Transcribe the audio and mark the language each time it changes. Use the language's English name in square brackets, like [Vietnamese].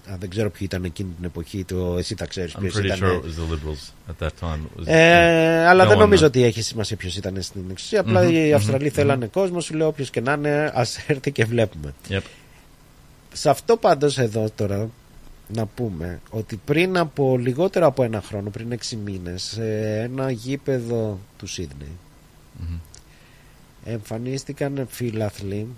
[Greek] Δεν ξέρω ποιοι ήταν εκείνη την εποχή, το εσύ τα ξέρεις. [English] I'm pretty sure it was the liberals at that time. [Greek] Αλλά δεν νομίζω ότι έχει σημασία ποιος ήταν στην εξουσία. Απλά οι Αυστραλοί θέλανε κόσμο, σου λέω, όποιος και να είναι, ας έρθει και βλέπουμε. Σε αυτό πάντως εδώ τώρα να πούμε ότι πριν από λιγότερο από ένα χρόνο, πριν 6 μήνες, σε ένα γήπεδο του Σίδνεϊ εμφανίστηκαν φιλάθλοι.